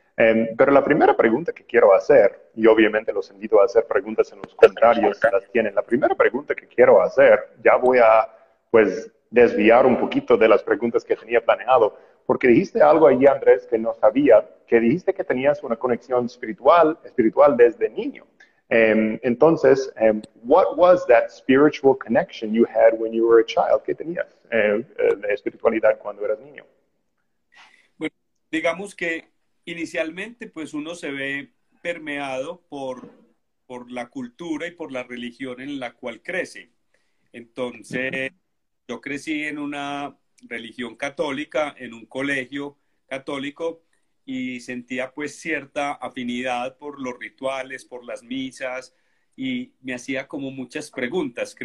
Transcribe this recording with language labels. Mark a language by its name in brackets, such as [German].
[Spanish] Pero la primera pregunta que quiero hacer, y obviamente los invito a hacer preguntas en los comentarios si las tienen, la primera pregunta que quiero hacer, ya voy a pues desviar un poquito de las preguntas que tenía planeado, porque dijiste algo allí, Andrés, que no sabía, que dijiste que tenías una conexión espiritual desde niño. [English] Entonces, what was that spiritual connection you had when you were a child? [Spanish] ¿Qué tenías de espiritualidad cuando eras niño? Digamos que inicialmente pues uno se ve permeado por la cultura y por la religión en la cual crece. Entonces, yo crecí en una religión católica, en un colegio católico, y sentía pues cierta afinidad por los rituales, por las misas, y me hacía como muchas preguntas.